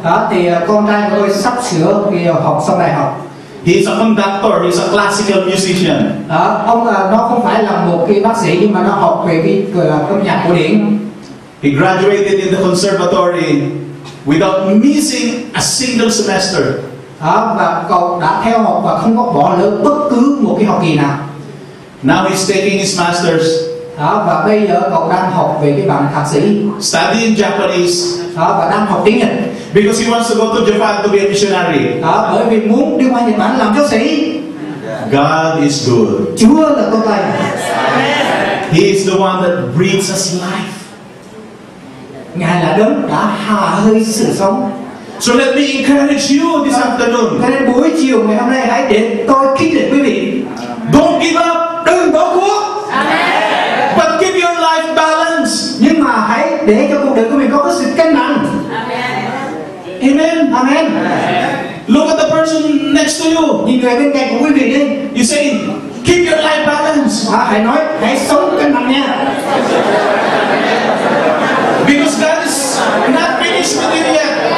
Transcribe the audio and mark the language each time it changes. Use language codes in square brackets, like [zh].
[vi] Thì con trai của tôi sắp sửa thì học xong đại học. [en] He's a conductor. He's a classical musician. [vi] Nó không phải là một cái bác sĩ nhưng mà nó học về cái gọi là âm nhạc cổ điển. [en] He graduated in the conservatory without missing a single semester. [vi] Và cậu đã theo học và không có bỏ lỡ bất cứ một cái học kỳ nào. [en] Now he's taking his master's. [vi] Và bây giờ cậu đang học về cái bằng thạc sĩ. [en] Studying Japanese. [vi] Và đang học tiếng Nhật. [en] Because he wants to go to Japan to be a missionary. [vi] Bởi vì muốn đi qua Nhật Bản làm giáo sĩ. [en] God is good. [vi] Chúa là tốt lành. [en] He is the one that breathes us life. [vi] Ngài là đấng đã hà hơi sự sống. [en] So let me encourage you this afternoon. [vi] Thế nên buổi chiều ngày hôm nay hãy để tôi khích lệ quý vị. [en] Don't give up. [vi] Đừng bỏ cuộc. [en] Amen. But give your life balance. [vi] Nhưng mà hãy để cho cuộc đời của mình có cái sự cân bằng. [en] Amen. Amen. Amen. Amen. Look at the person next to you. [vi] Nhìn người bên cạnh của quý vị đi. [en] You say, keep your life balance. [vi] Hãy nói, hãy sống cân bằng nha. [en] Because God is not finished with you yet.